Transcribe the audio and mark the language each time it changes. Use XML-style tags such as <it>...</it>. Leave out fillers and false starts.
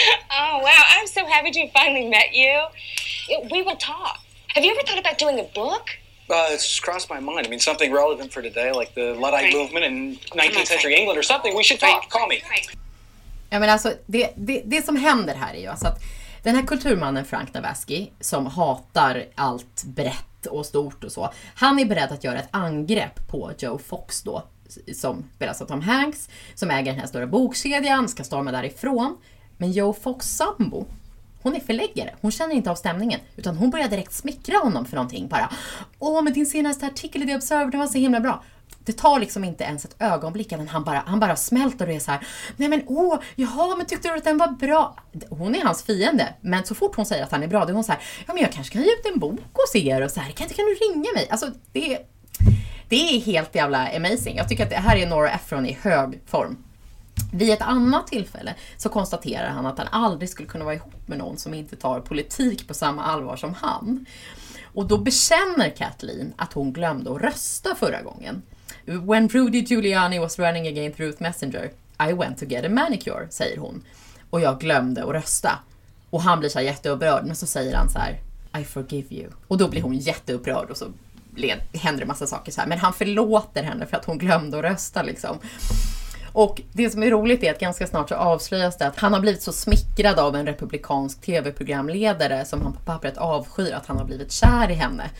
<en>Oh, wow, I'm so happy to have finally met you. We will talk. Have you ever thought about doing a book? It's crossed my mind. I mean, something relevant for today, like the Luddite right. movement in 19th century England or something. We should talk. Right. Call me.</en> <sv>Ja, men alltså, det som händer här är ju att den här kulturmannen Frank Novaski, som hatar allt brett och stort och så, han är beredd att göra ett angrepp på Joe Fox då, som spelas av Tom Hanks, som äger den här stora bokkedjan, ska storma därifrån. Men Joe Fox sambo, hon är förläggare, hon känner inte av stämningen, utan hon börjar direkt smickra honom för någonting. Bara, åh, men din senaste artikel i The Observer, det var så himla bra. Det tar liksom inte ens ett ögonblick, men han bara smälter och är så här, nej men åh, jaha, men tyckte du att den var bra? Hon är hans fiende, men så fort hon säger att han är bra, då är hon så här, ja men jag kanske kan ge ut en bok hos er och så här, kan du ringa mig? Alltså, det är helt jävla amazing. Jag tycker att det här är Nora Ephron i hög form. Vid ett annat tillfälle så konstaterar han att han aldrig skulle kunna vara ihop med någon som inte tar politik på samma allvar som han. Och då bekänner Kathleen att hon glömde att rösta förra gången.</sv> <en>When Rudy Giuliani was running against Ruth Messenger, I went to get a manicure,</en> <sv>säger hon. Och jag glömde att rösta. Och han blir så jätteupprörd, men så säger han så här,</sv> <en>I forgive you.</en> <sv>Och då blir hon jätteupprörd och så händer en massa saker så här. Men han förlåter henne för att hon glömde att rösta liksom. Och det som är roligt är att ganska snart så avslöjas det att han har blivit så smickrad av en republikansk tv-programledare som han på pappret avskyr att han har blivit kär i henne.</sv>